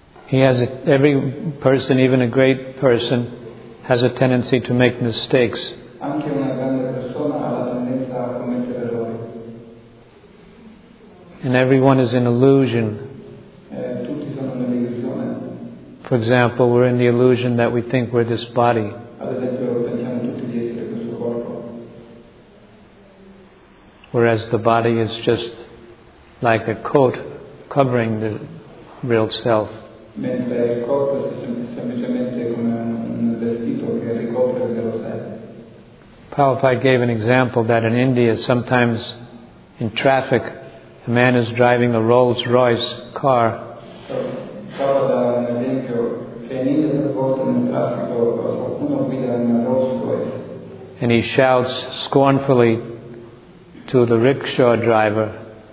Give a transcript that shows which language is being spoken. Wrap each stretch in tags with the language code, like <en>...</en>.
<en>Every person, even a great person, has a tendency to make mistakes.</en> <it>Anche una grande persona ha la tendenza a commettere errori.</it> <en>And everyone is in illusion.</en> <it>Tutti sono nell'illusione.</it> <en>For example, we're in the illusion that we think we're this body.</en> <it>Ad esempio, pensiamo tutti di essere questo corpo.</it> <en>Whereas the body is just like a coat covering the real self.</en> <it>Mentre il corpo è semplicemente come un vestito che ricopre il vero sé.</it> <en>Prabhupada gave an example that in India sometimes in traffic a man is driving a Rolls Royce car.</en> <it>Prabhupada ad esempio che in India a volte nel traffico qualcuno guida una Rolls Royce.</it> <en>And he shouts scornfully to the rickshaw driver.</en>